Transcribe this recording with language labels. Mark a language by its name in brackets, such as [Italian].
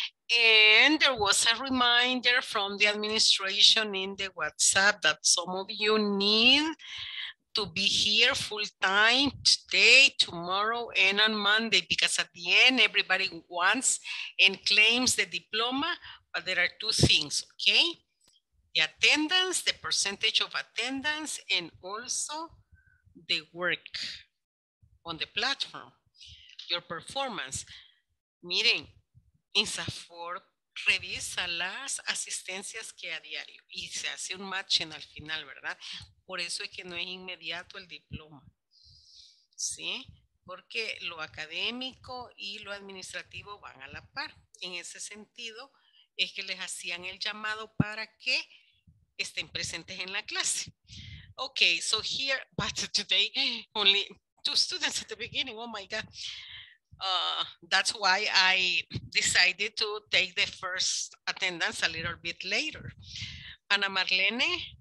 [English] And there was a reminder from the administration in the WhatsApp that some of you need to be here full time today, tomorrow, and on Monday, because at the end, everybody wants and claims the diploma, but there are two things, okay? The attendance, the percentage of attendance, and also the work on the platform, your performance. [Spanish] Miren, INSAFORP revisa las asistencias que a diario y se hace un match en al final, ¿verdad? Por eso es que no es inmediato el diploma, ¿sí? Porque lo académico y lo administrativo van a la par. En ese sentido, es que les hacían el llamado para que estén presentes en la clase. [English] Ok, so here, but today, only two students at the beginning, oh my God. That's why I decided to take the first attendance a little bit later. Ana Marlene.